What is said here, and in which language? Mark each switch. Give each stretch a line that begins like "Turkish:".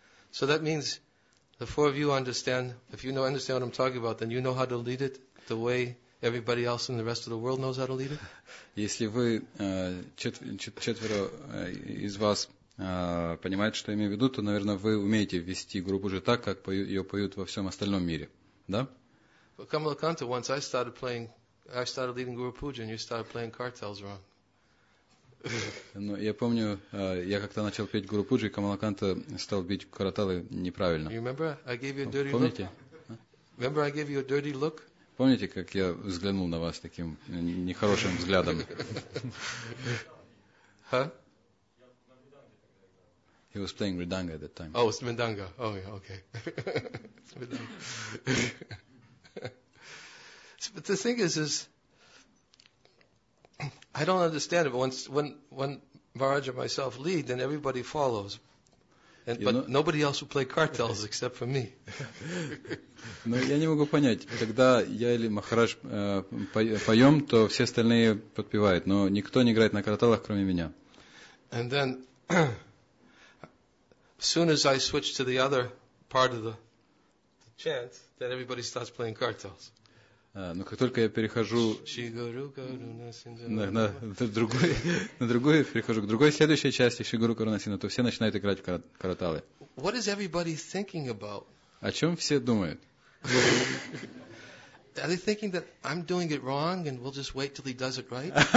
English: So that means the four of you understand, if you understand what I'm talking about, then you know how to lead it the way everybody else in the rest of the world knows how to lead it?
Russian: Если вы, четверо из вас, понимаете, что я имею в виду, то, наверное, вы умеете вести группу уже так, как ее поют во всем остальном мире. Да?
English: But Kamalakanta, once I started playing... I started leading Guru Puja and you started playing cartels wrong.
Russian: Ну, я помню, я как-то начал петь Гуру Пуджи, и Камалаканта стал бить караталы неправильно.
English: Remember I gave you a dirty look?
Russian: Помните, как я взглянул на вас таким нехорошим взглядом? Huh?
English: He was playing Ridanga at that time. Oh, it's Mindanga. Oh, yeah, okay. It's Mindanga. But the thing is I don't understand it, but when Maharaj or myself lead, then everybody follows. Nobody else will play cartels except for me.
Russian: Но я не могу понять, когда я или Махарадж поем, то все остальные подпевают, но никто не играет на карталах, кроме меня.
English: And then as soon as I switch to the other part of the chant, then everybody starts playing cartels.
Russian: Но как только я перехожу перехожу к другой следующей части Шигуру Каруна Синдхо, то все начинают играть в караталы.
English: What is everybody thinking about?
Russian: О чем все думают?
English: Are they thinking that I'm doing it wrong and we'll just wait till he does it right?